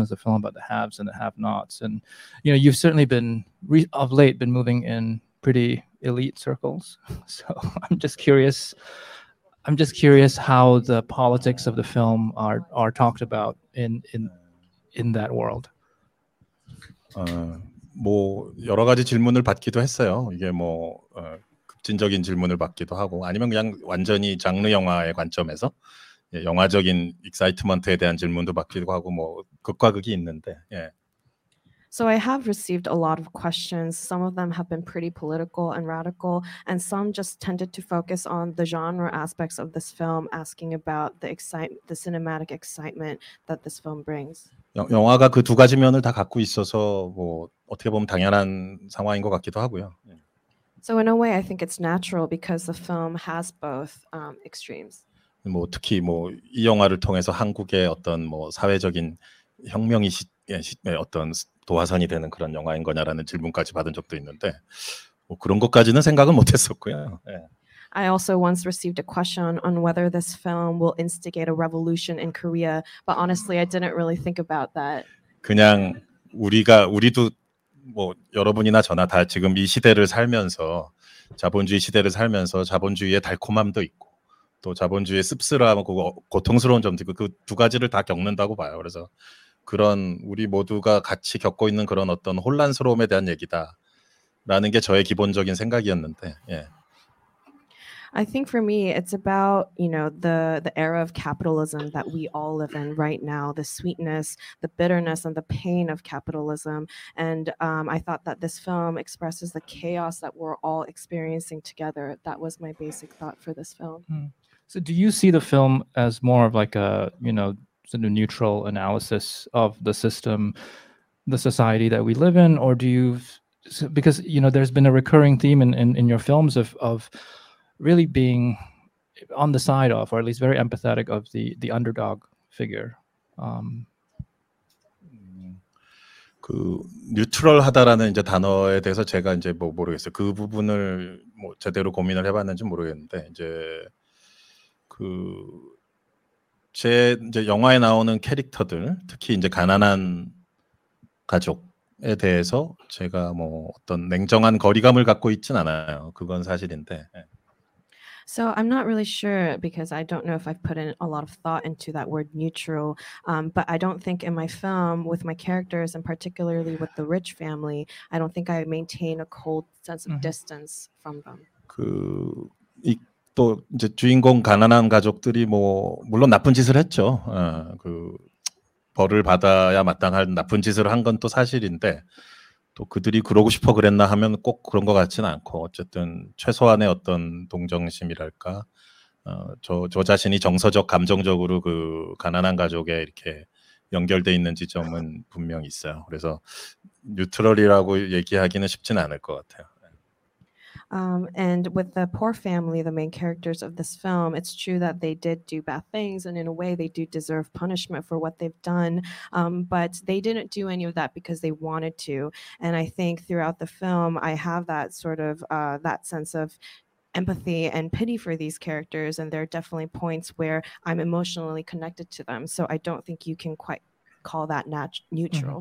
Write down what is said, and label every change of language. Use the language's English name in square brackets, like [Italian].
[English] It's a film about the haves and the have-nots. And, you know, you've certainly of late been moving in pretty elite circles. So I'm just curious how the politics of the film are talked about in that world. [Korean] 뭐 여러 가지 질문을 받기도 했어요. 이게 뭐 급진적인 질문을 받기도 하고 아니면 그냥 완전히 장르 영화의 관점에서 예, 영화적인 익사이트먼트에 대한 질문도 받기도 하고 뭐 극과 극이 있는데. 예. [English] So I have received a lot of questions. Some of them have been pretty political and radical, and some just tended to focus on the genre aspects of this film, asking about the cinematic excitement that this film brings. [Korean] 영화가 그 두 가지 면을 다 갖고 있어서 뭐 어떻게 보면 당연한 상황인 것 같기도 하고요. [English] So in a way, I think it's natural because the film has both extremes. [Korean] 뭐 특히 뭐 이 영화를 통해서 한국의 어떤 뭐 사회적인 혁명이 어떤 도화선이 되는 그런 영화인 거냐라는 질문까지 받은 적도 있는데 뭐 그런 것까지는 생각은 못 했었고요. 예. [English] I also once received a question on whether this film will instigate a revolution in Korea, but honestly I didn't really think about that. [Korean] 그냥 우리도 뭐 여러분이나 저나 다 지금 이 시대를 살면서 자본주의 시대를 살면서 자본주의의 달콤함도 있고 또 자본주의의 씁쓸함하고 고통스러운 점도 있고 그 두 가지를 다 겪는다고 봐요. 그래서 그런 우리 모두가 같이 겪고 있는 그런 어떤 혼란스러움에 대한 얘기다 라는 게 저의 기본적인 생각이었는데 예. [English] I think for me it's about, you know, the era of capitalism that we all live in right now, the sweetness, the bitterness and the pain of capitalism, and I thought that this film expresses the chaos that we're all experiencing together. That was my basic thought for this film. So do you see the film as more of like a, you know, sort of neutral analysis of the system, the society that we live in, or do you, because you know there's been a recurring theme in your films of really being on the side of, or at least very empathetic of the underdog figure. [Korean] 그 뉴트럴하다라는 이제 단어에 대해서 제가 이제 뭐 모르겠어요. 그 부분을 뭐 제대로 고민을 해봤는지 모르겠는데 이제 그 제 이제 영화에 나오는 캐릭터들, 특히 이제 가난한 가족에 대해서 제가 뭐 어떤 냉정한 거리감을 갖고 있진 않아요. 그건 사실인데. [English] So I'm not really sure because I don't know if I've put in a lot of thought into that word neutral, but I don't think in my film with my characters and particularly with the rich family, I don't think I maintain a cold sense of distance from them. [Korean] 그 이 또 이제 주인공 가난한 가족들이 뭐 물론 나쁜 짓을 했죠. 그 벌을 받아야 마땅한 나쁜 짓을 한 건 또 사실인데 또 그들이 그러고 싶어 그랬나 하면 꼭 그런 것 같지는 않고 어쨌든 최소한의 어떤 동정심이랄까 저 자신이 정서적 감정적으로 그 가난한 가족에 이렇게 연결돼 있는 지점은 분명 있어요. 그래서 뉴트럴이라고 얘기하기는 쉽진 않을 것 같아요. [English] And with the poor family, the main characters of this film, it's true that they did do bad things, and in a way they do deserve punishment for what they've done, but they didn't do any of that because they wanted to. And I think throughout the film, I have that sort of that sense of empathy and pity for these characters, and there are definitely points where I'm emotionally connected to them, so I don't think you can quite call that neutral.